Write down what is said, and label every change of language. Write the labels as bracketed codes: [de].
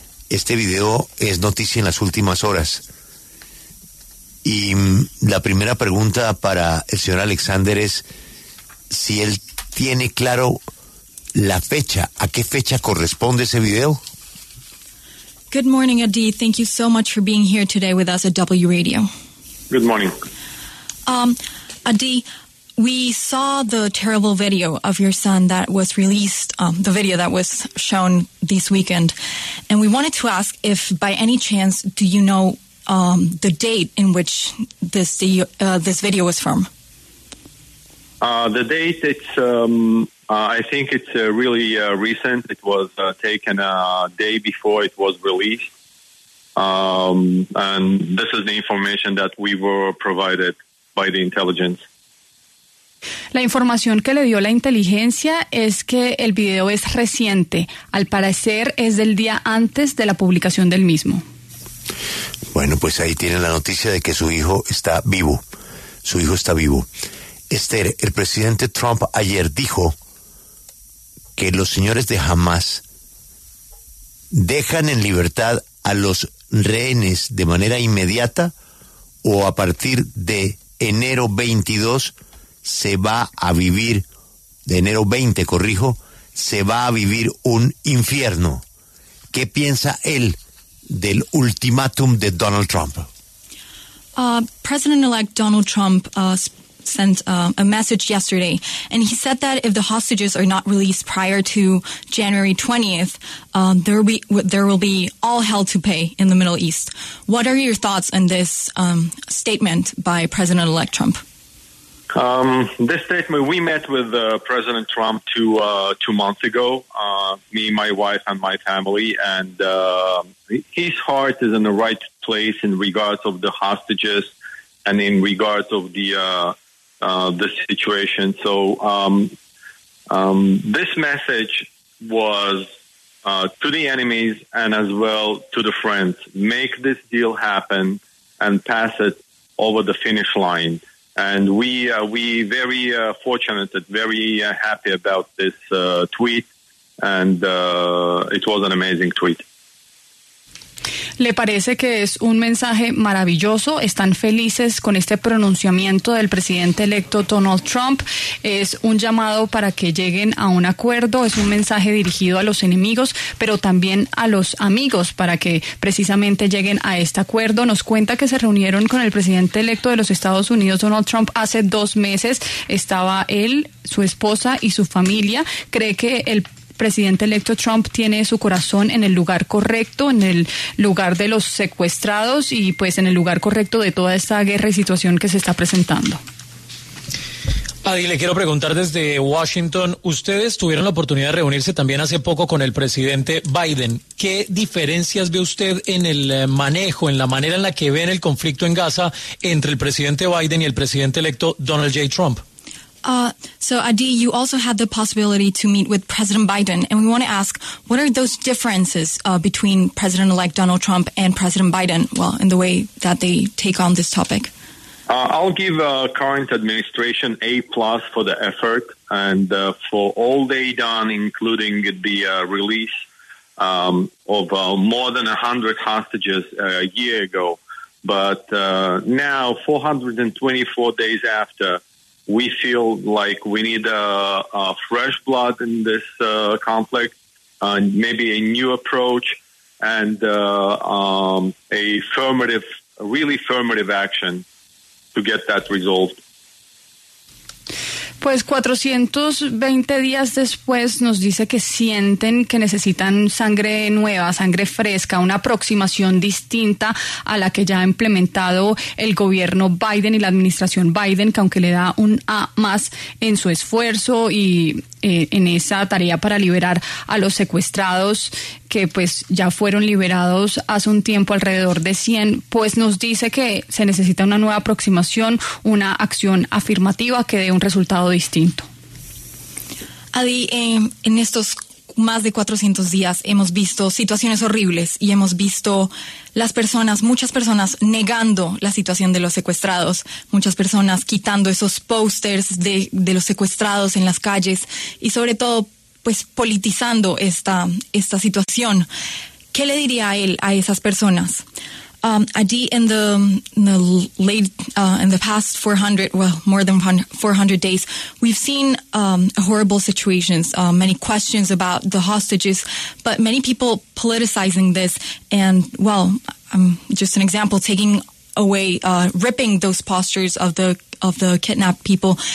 [es] Este video es noticia en las últimas horas. Y la primera pregunta para el señor Alexander es si él tiene claro la fecha, ¿a qué fecha corresponde ese video? [en] Good morning, Adi. Thank you so much for being here today with us at W Radio. Good morning. Adi, we saw the terrible video of your son that was released, the video that was shown this weekend. And we wanted to ask if, by any chance, do you know the date in which this video was from? The date, it's, I think it's really recent. It was taken a day before it was released. And this is the information that we were provided by the intelligence. [es] La información que le dio la inteligencia es que el video es reciente. Al parecer es del día antes de la publicación del mismo. Bueno, pues ahí tienen la noticia de que su hijo está vivo. Su hijo está vivo. Esther, el presidente Trump ayer dijo que los señores de Hamas dejan en libertad a los rehenes de manera inmediata o a partir de enero 22 se va a vivir, de enero 20, corrijo, se va a vivir un infierno. ¿Qué piensa él del ultimátum de Donald Trump? [en] President-elect Donald Trump sent a message yesterday, and he said that if the hostages are not released prior to January 20th, there will be all hell to pay in the Middle East. What are your thoughts on this statement by President-elect Trump? This statement, we met with President Trump two months ago, me, my wife, and my family, and his heart is in the right place in regards of the hostages and in regards of the situation. So this message was to the enemies and as well to the friends. Make this deal happen and pass it over the finish line. And we very fortunate and very happy about this tweet, and it was an amazing tweet. [es] ¿Le parece que es un mensaje maravilloso? ¿Están felices con este pronunciamiento del presidente electo Donald Trump? Es un llamado para que lleguen a un acuerdo, es un mensaje dirigido a los enemigos, pero también a los amigos para que precisamente lleguen a este acuerdo. Nos cuenta que se reunieron con el presidente electo de los Estados Unidos, Donald Trump, hace dos meses. Estaba él, su esposa y su familia. ¿Cree que el presidente electo Trump tiene su corazón en el lugar correcto, en el lugar de los secuestrados y pues en el lugar correcto de toda esta guerra y situación que se está presentando? Adi, le quiero preguntar desde Washington, ustedes tuvieron la oportunidad de reunirse también hace poco con el presidente Biden. ¿Qué diferencias ve usted en el manejo, en la manera en la que ven el conflicto en Gaza entre el presidente Biden y el presidente electo Donald J. Trump? [en] So, Adi, you also had the possibility to meet with President Biden, and we want to ask, what are those differences between President-elect Donald Trump and President Biden, well, in the way that they take on this topic? I'll give current administration A-plus for the effort and for all they done, including the release of more than 100 hostages a year ago. But now, 424 days after, we feel like we need a fresh blood in this conflict, and maybe a new approach and a affirmative, really affirmative action to get that resolved. [es] Pues 420 días después nos dice que sienten que necesitan sangre nueva, sangre fresca, una aproximación distinta a la que ya ha implementado el gobierno Biden y la administración Biden, que aunque le da un A más en su esfuerzo y en esa tarea para liberar a los secuestrados, que pues ya fueron liberados hace un tiempo, alrededor de 100, pues nos dice que se necesita una nueva aproximación, una acción afirmativa que dé un resultado distinto. Adi, en estos más de 400 días hemos visto situaciones horribles y hemos visto las personas, muchas personas negando la situación de los secuestrados, muchas personas quitando esos pósters de los secuestrados en las calles y sobre todo pues politizando esta situación. ¿Qué le diría a él a esas personas? [en] Adi, in the past 400, more than 400 days, we've seen horrible situations, many questions about the hostages, but many people politicizing this, and well, just an example, taking away, ripping those postures of the kidnapped people.